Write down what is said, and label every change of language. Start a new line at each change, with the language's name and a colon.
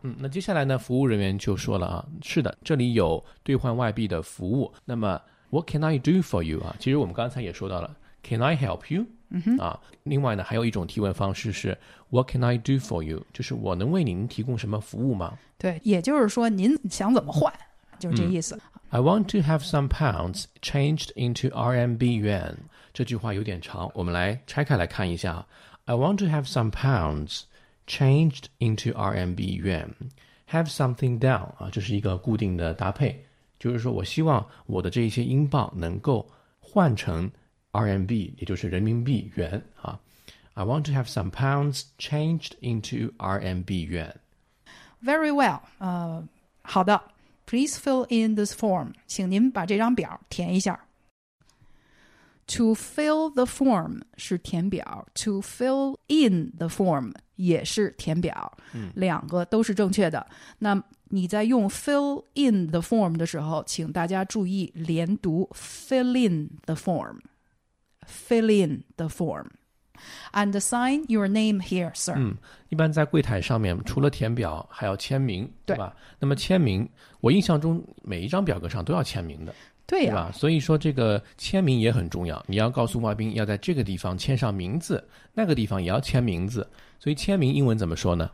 Chinese: 那接下来呢服务人员就说了啊，是的，这里有兑换外币的服务，那么
English: What can I do for you?
Chinese: 其实我们刚才也说到了
English: Can I help you?、
Chinese: 另外呢还有一种提问方式是
English: What can I do for you?
Chinese: 就是我能为您提供什么服务吗？对，也就是说您想怎么换，就是这意思、
English: I want to have some pounds changed into RMB yuan.
Chinese: 这句话有点长，我们来拆开来看一下。
English: I want to have some pounds changed into RMB yuan. Have something down、
Chinese: 这是一个固定的搭配，就是说我希望我的这些英镑能够换成 RMB， 也就是人民币元、
English: I want to have some pounds changed into RMB yuan. Very well、
Chinese: 好的，
English: Please fill in this form，
Chinese: 请您把这张表填一下。
English: To fill the form
Chinese: 是填表，
English: To fill in the form
Chinese: 也是填表、两个都是正确的。那你在用
English: fill in the form 的时候，请大家注意连读 fill in the form， fill in the form， and sign your name here sir、
Chinese: 一般在柜台上面除了填表还要签名对吧，那么签名我印象中每一张表格上都要签名的，对呀、所以说这个签名也很重要，你要告诉外宾要在这个地方签上名字，那个地方也要签名字，所以签名英文怎么说呢？